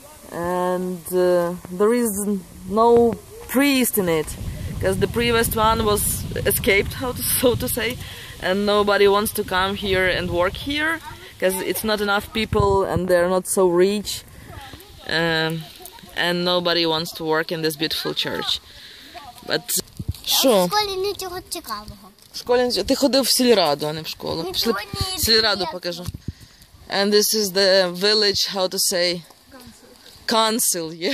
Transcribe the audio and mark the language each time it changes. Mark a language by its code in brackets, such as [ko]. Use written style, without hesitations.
[en] And there is no priest in it, because the previous one was escaped, so to say, and nobody wants to come here and work here, because it's not enough people and they're not so rich. And nobody wants to work in this beautiful church. [uk] But що? В школі нічого цікавого. В школі ти ходив в сільраду, а не в школу. Пішли сільраду покажу. [en] And this is the village, how to say? Council.